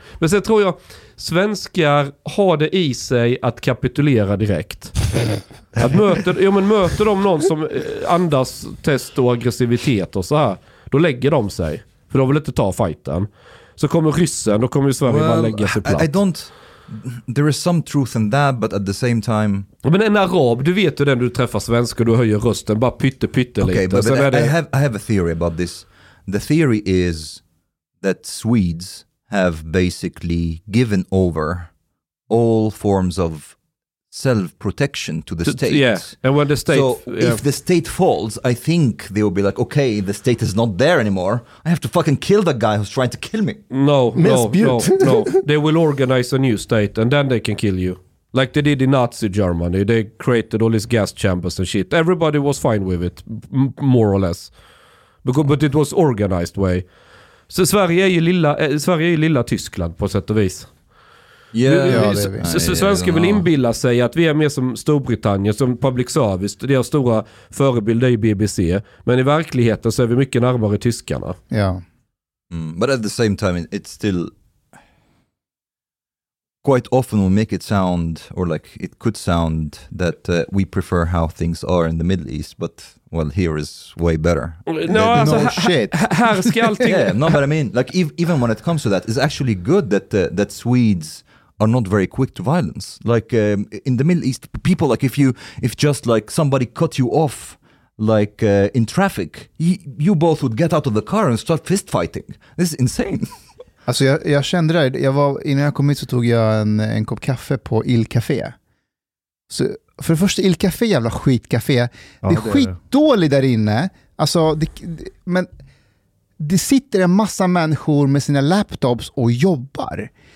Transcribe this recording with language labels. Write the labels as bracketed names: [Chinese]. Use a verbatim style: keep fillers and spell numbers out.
[Swedish] Men sen tror jag svenskar har det i sig att kapitulera direkt. Att möter, ja, men möter de någon som andas test och aggressivitet och så här, då lägger de sig. För de vill inte ta fighten. Så kommer ryssen, då kommer ju Sverige well, bara lägga sig platt. [English] I, I don't... There is some truth in that, but at the same time... [Swedish] Men en arab, du vet ju den du träffar svenskar, du höjer rösten, bara pytte, pytte [English] okay, [Swedish] lite. [English] But, but I, det... I, have, I have a theory about this. The theory is that Swedes have basically given over all forms of self-protection to the to, state. Yeah, and when the state... So yeah. if the state falls, I think they will be like, okay, the state is not there anymore. I have to fucking kill that guy who's trying to kill me. No, no, no, no. They will organize a new state and then they can kill you. Like they did in Nazi Germany. They created all these gas chambers and shit. Everybody was fine with it, m- more or less. Because, but it was organized way. [Swedish] Så Sverige är ju lilla, eh, Sverige är ju lilla Tyskland på sätt och vis. [English] Yeah, [Swedish] vi, ja, vi, så svenskar vill inbilla sig att vi är mer som Storbritannien, som public service. Deras stora förebild är ju B B C. Men i verkligheten så är vi mycket närmare tyskarna. Ja. [English] Mm, but at the same time it's still quite often will make it sound or like it could sound that uh, we prefer how things are in the Middle East, but well, here is way better. [Swedish] No, no alltså, [English] shit. [Swedish] Här ska allting... [English] yeah, no, but I mean, like if, even when it comes to that, it's actually good that uh, that Swedes are not very quick to violence. Like um, in the Middle East, people like if you if just like somebody cut you off like uh, in traffic, you, you both would get out of the car and start fist fighting. This is insane. [Swedish] Alltså jag, jag kände det här, jag var, innan jag kom hit så tog jag en, en kopp kaffe på Il Café. Så för det första, Il Café, jävla skitcafé. Ja, det är det skitdåligt där inne. Alltså, det, det, men det sitter en massa människor med sina laptops och jobbar.